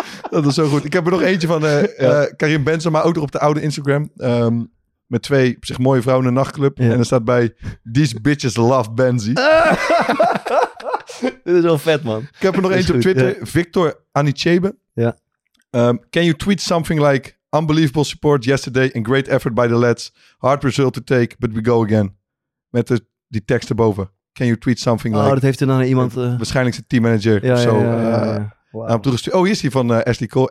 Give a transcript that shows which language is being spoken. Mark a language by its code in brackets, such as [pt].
[nl] dat was zo goed. Ik heb er nog eentje van Karim Benzema, maar ook nog op de oude Instagram. Met twee op zich mooie vrouwen in een nachtclub. Ja. En er staat bij... [en] These bitches love Benzie. [nl] Dit is wel vet, man. Ik heb er nog eentje op Twitter. Ja. Victor Anichebe. Ja. [en] Can you tweet something like... Unbelievable support yesterday and great effort by the lads. Hard result to take, but we go again. [nl] Met die tekst erboven. [en] Can you tweet something like... [nl] Oh, dat heeft er dan iemand... Waarschijnlijk zijn teammanager. Ja, zo, wow. Nou, oh, hier is hij van Ashley Cole.